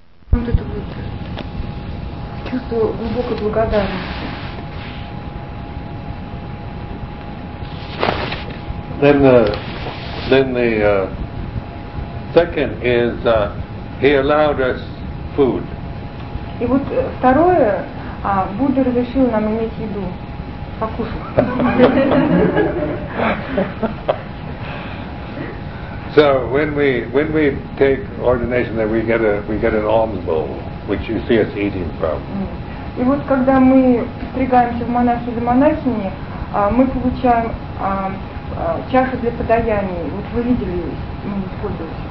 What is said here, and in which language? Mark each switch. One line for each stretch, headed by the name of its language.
Russian: Вот это вот чувство глубокой благодарности.
English: Then the second is he allowed us food.
Russian: И вот второе, Будда разрешил нам иметь еду, покушать.
English: So when we take ordination, then we get an alms bowl, which you see us eating from.
Russian: И вот когда мы стригаемся в монахи или монахини, мы получаем чаши для подаяний. Вот вы видели, мы использовали.